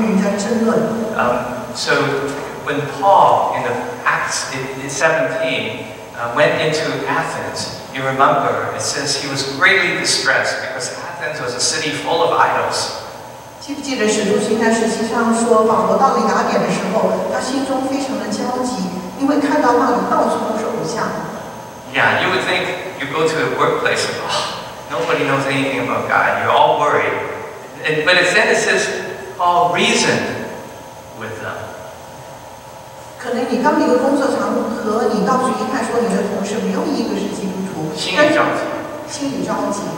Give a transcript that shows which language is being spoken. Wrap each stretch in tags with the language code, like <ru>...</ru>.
<zh>第一个是对话，第二是肯定，第三个是解决冲突，第四个是忏悔。</zh> <en>So when Paul in the Acts in 17 went into Athens, you remember it says he was greatly distressed because Athens was a city full of idols.</en> <zh>记不记得使徒行传17章说保罗到了雅典的时候，他心中非常的焦急，因为看到那里到处都是偶像。</zh> <en>Yeah, you would think you go to a workplace, oh, nobody knows anything about God, you're all worried. And, but instead it says Paul reasoned with them.</en> <zh>可能你刚一个工作场合，你到处一看，说你的同事没有一个是基督徒，心里焦急。</zh>